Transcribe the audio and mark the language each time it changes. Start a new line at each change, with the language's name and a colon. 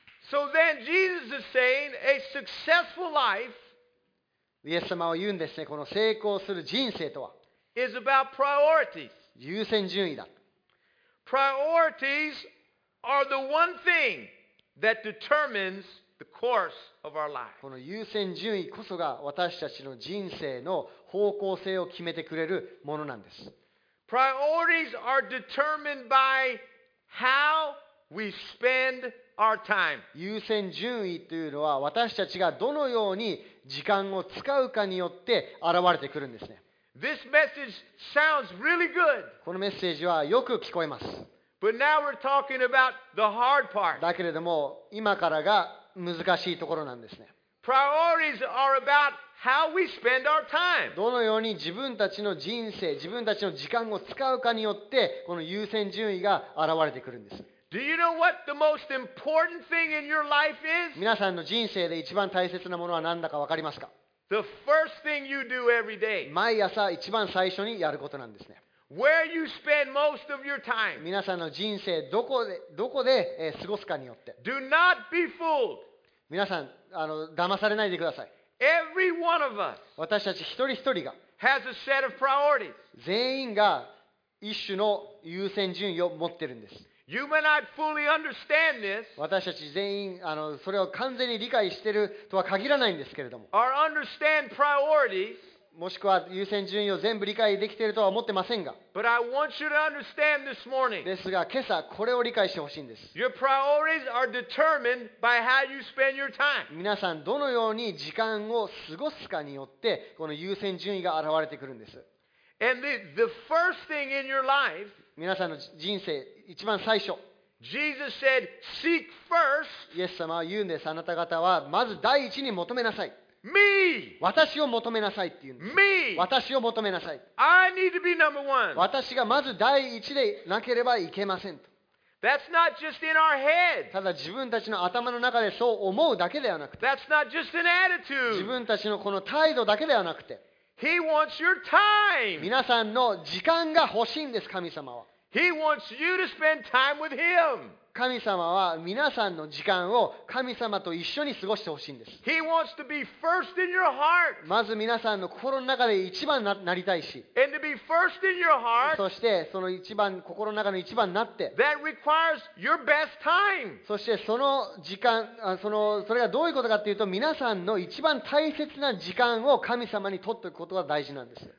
English: So then Jesus is saying, a successful life.
Japanese: イエス様は言うんですね。この成功する人生とは、
English: is about priorities.
Japanese: 優先順位だ。
English: Priorities are the one thing that determines the course of our life.
Japanese: この優先順位こそが私たちの人生の方向性を決めてくれるものなんです。
English: Priorities are determined by how we spend our time.
Japanese: 優先順位というのは私たちがどのように時間を使うかによって現れてくるんですね。
English: This message sounds really good.
Japanese: このメッセージはよく聞こえます。
English: But now we're talking about the hard part.
Japanese: だけれども今からが難しいところなんですね。
English: Priorities are about how we spend our time.
Japanese: どのように自分たちの人生、自分たちの時間を使うかによってこの優先順位が現れてくるんです。
English: Do you know what the most important thing in your life is?
Japanese: 皆さんの人生で一番大切なものは何だか分かりますか？
English: The first thing you do every day.
Japanese: 毎朝一番最初にやることなんですね。
English: Where you spend most of your time.
Japanese: 皆さんの人生どこで過ごすかによって。
English: Do not be fooled.
Japanese: 皆さん騙されないでください。
English: Every one of us.
Japanese: 私たち一人一人が。
English: Has a set of priorities.
Japanese: 全員が一種の優先順位を持ってるんです。
English: You may not fully understand this.
Japanese: 私たち全員それを完全に理解しているとは限らないんですけれども。
English: Or understand priorities.
Japanese: もしくは優先順位を全部理解できているとは思ってませんが。
English: But I want you to understand this morning.
Japanese: ですが今朝これを理解してほしいんです。
English: Your priorities are determined by how you spend your time.
Japanese: 皆さんどのように時間を過ごすかによってこの優先順位が現れてくるんです。
English: And the first thing in your life.
Japanese: 皆さんの人生一番最初。
English: Jesus said, "Seek first."
Japanese: イエス様は言うんです。あなた方はまず第一に求めなさい。
English: Me.
Japanese: 私を求めなさいって言うんです。
English: Me.
Japanese: 私を求めなさい。
English: I need to be number one.
Japanese: 私がまず第一でなければいけませんと。
English: That's not just in our head.
Japanese: ただ自分たちの頭の中でそう思うだけではなくて。
English: That's not just an attitude.
Japanese: 自分たちのこの態度だけではなくて。
English: He wants your time.
Japanese: 皆さんの時間が欲しいんです、神様は。
English: He wants you to spend time with him.
Japanese: 神様は皆さんの時間を神様と一緒に過ごして欲しいんです。
English: He wants to be first in your heart.
Japanese: まず皆さんの心の中で一番なりたいし。
English: And to be first in your heart.
Japanese: そしてその一番心の中の一番になって。
English: That requires your best time.
Japanese: そしてその時間、それがどういうことかというと、皆さんの一番大切な時間を神様に取っておくことが大事なんです。